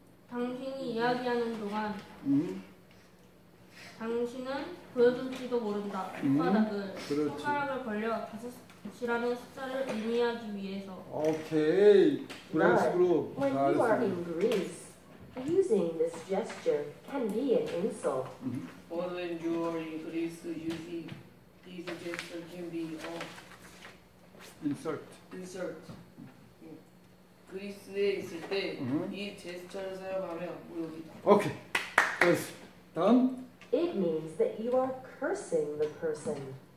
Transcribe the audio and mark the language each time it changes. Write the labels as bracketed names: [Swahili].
[Korean] 당신이 이야기하는 동안 당신은 보여줄지도 모른다. 손바닥을 그렇지. 손가락을 벌려 5이라는 숫자를 의미하기 위해서. 오케이. 프랑스어로. [English] When you are in Greece, using this gesture can be an insult. Or when you are in Greece, using this gesture can be an insult. Insult. [Korean] 그리스에 있을 때 이 제스처를 사용하면 오케이. 다음. [English] It means that you are cursing the person.